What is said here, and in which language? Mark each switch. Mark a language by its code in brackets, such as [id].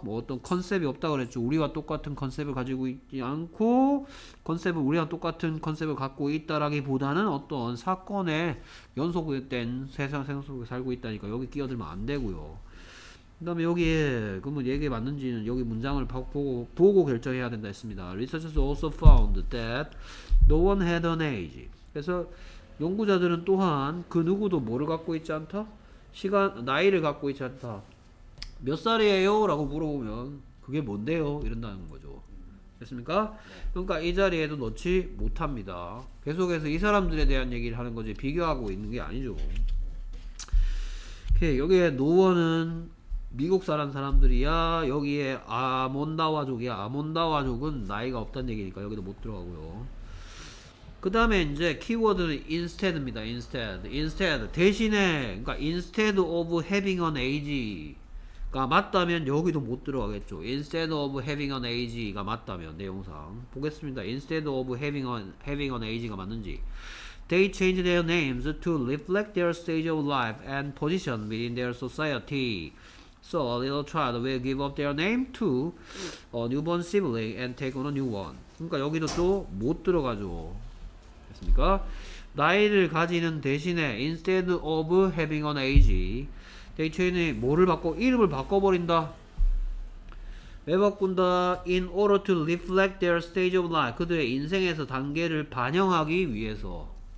[ko] 뭐 어떤 컨셉이 없다 그랬죠. 우리와 똑같은 컨셉을 가지고 있지 않고 컨셉은 우리와 똑같은 컨셉을 갖고 있다라기보다는 어떤 사건에 연속된 세상 속에 살고 있다니까 여기 끼어들면 안 되고요. 그 다음에 여기에 그러면 얘기 맞는지는 여기 문장을 보고 결정해야 된다 했습니다. [en] Researchers also found that no one had an age. [ko] 그래서 연구자들은 또한 그 누구도 뭐를 갖고 있지 않다? 나이를 갖고 있지 않다. 몇 살이에요? 라고 물어보면 그게 뭔데요? 이런다는 거죠. 됐습니까? 그러니까 이 자리에도 넣지 못합니다. 계속해서 이 사람들에 대한 얘기를 하는 거지 비교하고 있는 게 아니죠. 오케이. 여기에 no one은 미국 사는 사람들이야. 여기에 아몬다와족이야. 아몬다와족은 나이가 없다는 얘기니까 여기도 못 들어가고요. 그 다음에 이제 키워드는 instead입니다. instead 대신에, 그러니까 [en] instead of having an age [ko] 가 맞다면 여기도 못 들어가겠죠. [en] instead of having an age가 [ko] 맞다면 내용상 보겠습니다. [en] instead of having an age가 [ko] 맞는지. [en] They change their names to reflect their stage of life and position within their society. So a little child will give up their name to a newborn sibling and take on a new one. [ko] 그러니까 여기도 또 못 들어가죠. 됐습니까? 나이를 가지는 대신에 [en] instead of having an age, [ko] 대체는 뭐를 바꿔? 이름을 바꿔버린다. 왜 바꾼다? [en] In order to reflect their stage of life, [ko] 그들의 인생에서 단계를 반영하기 위해서.